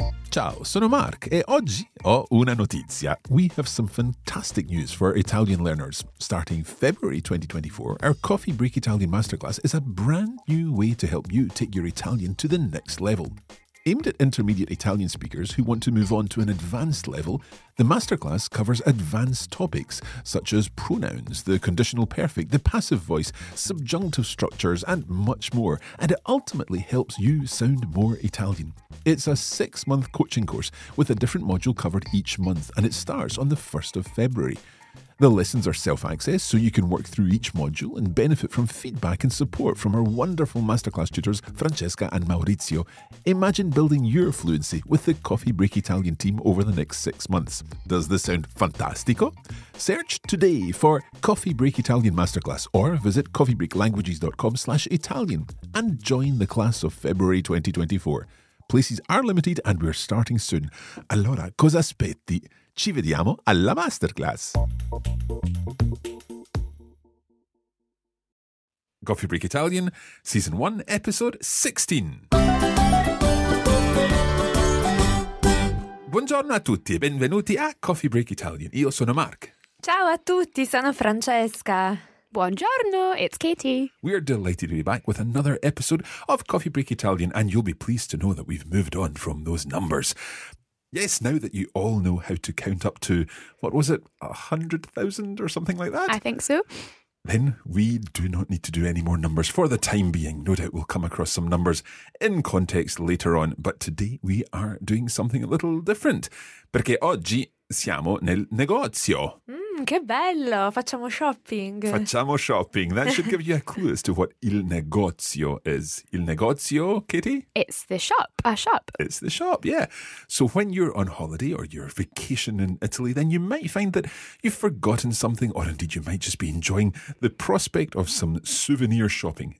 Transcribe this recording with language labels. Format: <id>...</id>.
<it>Ciao, sono Mark e oggi ho una notizia.</it> <en>We have some fantastic news for Italian learners. Starting February 2024, our Coffee Break Italian Masterclass is a brand new way to help you take your Italian to the next level. Aimed at intermediate Italian speakers who want to move on to an advanced level, the masterclass covers advanced topics such as pronouns, the conditional perfect, the passive voice, subjunctive structures, and much more, and it ultimately helps you sound more Italian. It's a six-month coaching course with a different module covered each month, and it starts on the 1st of February. The lessons are self-access, so you can work through each module and benefit from feedback and support from our wonderful masterclass tutors, Francesca and Maurizio. Imagine building your fluency with the Coffee Break Italian team over the next 6 months. Does this sound fantastico? Search today for Coffee Break Italian Masterclass or visit coffeebreaklanguages.com/Italian and join the class of February 2024. Places are limited and we're starting soon.</en> <it>Allora, cosa aspetti? Ci vediamo alla masterclass.</it> <en>Coffee Break Italian, Season 1, Episode 16.</en> <it>Buongiorno a tutti e benvenuti a Coffee Break Italian. Io sono Mark. Ciao a tutti, sono Francesca.</it> <en>Buongiorno, it's Katie. We are delighted to be back with another episode of Coffee Break Italian, and you'll be pleased to know that we've moved on from those numbers. Yes, now that you all know how to count up to, what was it, 100,000 or something like that? I think so. Then we do not need to do any more numbers for the time being. No doubt we'll come across some numbers in context later on. But today we are doing something a little different.</en> <it>Perché oggi siamo nel negozio. Che bello, facciamo shopping. Facciamo shopping.</it> <en>That should give you a clue as to what il negozio is.</en> <it>Il negozio, Katie?</it> <en>It's the shop, a shop. It's the shop, yeah. So when you're on holiday or you're vacation in Italy, then you might find that you've forgotten something, or indeed you might just be enjoying the prospect of some souvenir shopping.</en>